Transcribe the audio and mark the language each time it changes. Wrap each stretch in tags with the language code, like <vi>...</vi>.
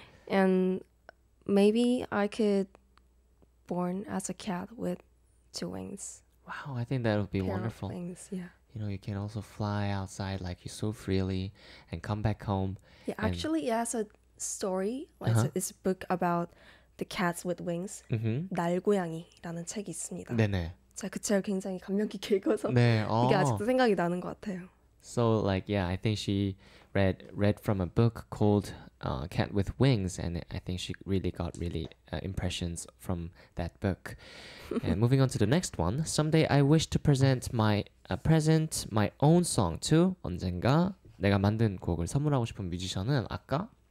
<en>And maybe I could born as a cat with two wings. Wow, I think that would be a pair wonderful. Of wings, yeah. you know, you can also fly outside like so freely and come back home. Yeah, actually, it has a story. Like, uh-huh. It's a book about the cats with wings. Mm-hmm.</en> <ko>날고양이라는 책이 있습니다. 네네. 제가 그 책을 굉장히 감명 깊게 읽어서 네, 이게 아직도 생각이 나는 것 같아요.</ko> <en>So like, yeah, I think she read from a book called Cat with Wings, and I think she really got really impressions from that book. And moving on to the next one, someday I wish to present my own song to</en> <ko>언젠가 내가 만든 곡을 선물하고 싶은 뮤지션은 아까</ko>